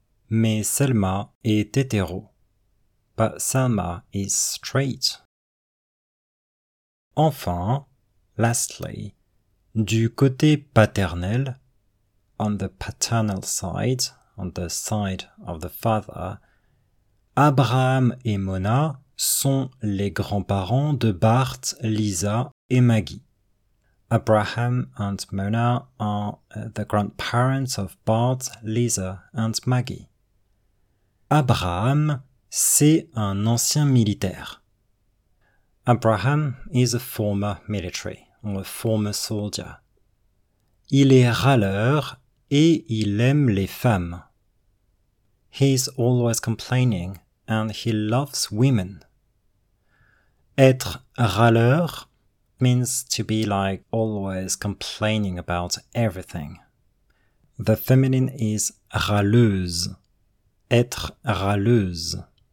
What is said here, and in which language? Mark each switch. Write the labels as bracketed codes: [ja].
[fr] Mais Selma est hétéro. [en] But Selma is straight. [fr] Enfin, lastly, du côté paternel, [en] on the paternal side, on the side of the father, [fr] Abraham et Mona sont les grands-parents de Bart, Lisa et Maggie. [en] Abraham and Mona are the grandparents of Bart, Lisa and Maggie. [fr] Abraham, c'est un ancien militaire. [en] Abraham is a former military, or a former soldier. [fr] Il est râleur et il aime les femmes. [en] He is always complaining and he loves women. [fr] Être râleur [en] means to be like always complaining about everything. The feminine is râleuse. [fr] Être râleuse.